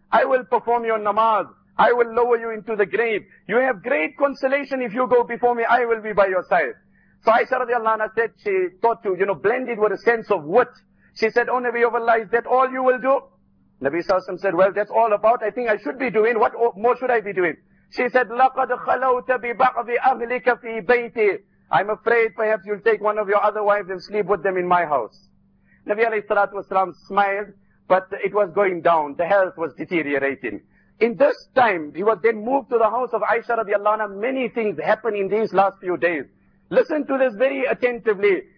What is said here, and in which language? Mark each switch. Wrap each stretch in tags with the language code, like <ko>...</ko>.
<en>I will perform your namaz. I will lower you into the grave. You have great consolation if you go before me. I will be by your side. So Aisha radiallahu anha said, she thought to, you know, blend it with a sense of what. She said, O Nabi of Allah, is that all you will do? Nabi Sallallahu Alaihi Wasallam said, well, that's all about. I think I should be doing. What more should I be doing? She said,</en> <ar>لَقَدْ خَلَوْتَ بِبَعْضِ أَهْلِكَ فِي بَيْتِ.</ar> <en>I'm afraid perhaps you'll take one of your other wives and sleep with them in my house. Nabi alayhi salatu wasalam smiled, but it was going down. The health was deteriorating. In this time, he was then moved to the house of Aisha radiallahu anha. Many things happened in these last few days. Listen to this very attentively.</en>